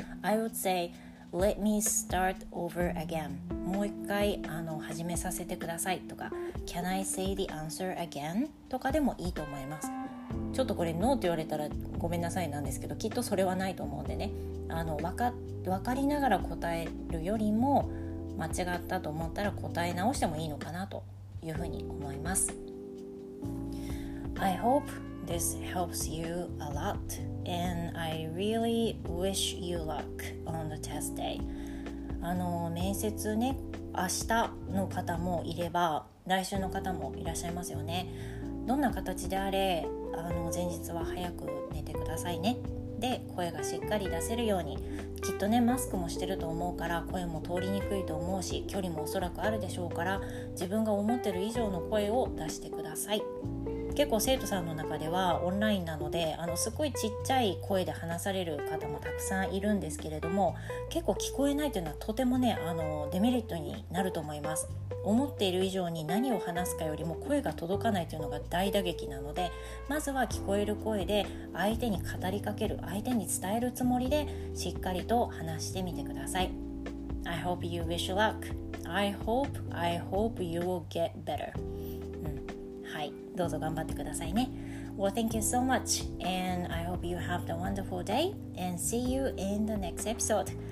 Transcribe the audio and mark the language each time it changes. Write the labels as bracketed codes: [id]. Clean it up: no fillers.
[en] I would say let me start over again、 [ja] もう一回始めさせてくださいとか、 [en] Can I say the answer again? [ja] とかでもいいと思います。ちょっとこれノーって言われたらごめんなさいなんですけど、きっとそれはないと思うんでね、分かりながら答えるよりも間違ったと思ったら答え直してもいいのかなというふうに思います。 [en] I hope this helps you a lot and I really wish you luck on the test day. [ja] 面接ね、明日の方もいれば来週の方もいらっしゃいますよね。どんな形であれ前日は早く寝てくださいね。で、声がしっかり出せるようにきっとねマスクもしてると思うから声も通りにくいと思うし距離もおそらくあるでしょうから自分が思ってる以上の声を出してください。結構生徒さんの中ではオンラインなのですごいちっちゃい声で話される方もたくさんいるんですけれども結構聞こえないというのはとてもねデメリットになると思います。思っている以上に何を話すかよりも声が届かないというのが大打撃なのでまずは聞こえる声で相手に語りかける相手に伝えるつもりでしっかりと話してみてください。 [en] I hope you wish luck. I hope you will get better. [ja] はい、どうぞ頑張ってくださいね。 [en] Well, thank you so much and I hope you have a wonderful day and see you in the next episode.